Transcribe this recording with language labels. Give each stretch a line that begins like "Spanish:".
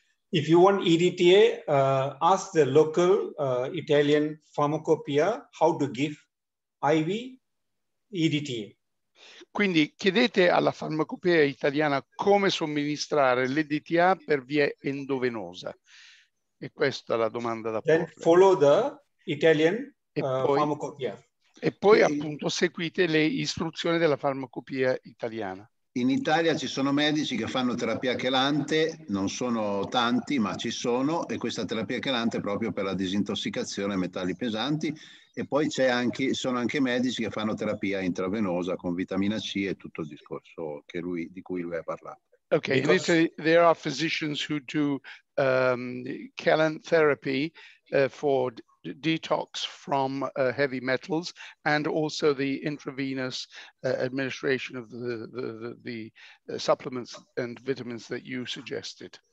English: If you want EDTA, ask the local Italian pharmacopoeia how to give IV EDTA.
Italian: Quindi chiedete alla farmacopea italiana come somministrare l'EDTA per via endovenosa. E questa è la domanda da porre.
English: Then follow the Italian pharmacopoeia.
Italian: E poi appunto seguite le istruzioni della farmacopoeia italiana. In Italia ci sono medici che fanno terapia chelante, non sono tanti ma ci sono, e questa terapia chelante è proprio per la disintossicazione a metalli pesanti, e poi c'è anche, sono anche medici che fanno terapia intravenosa con vitamina C e tutto il discorso che lui, di cui lui ha parlato.
English: Ok, because... there are physicians who do chelant therapy for detox from heavy metals, and also the intravenous administration of the supplements and vitamins that you suggested.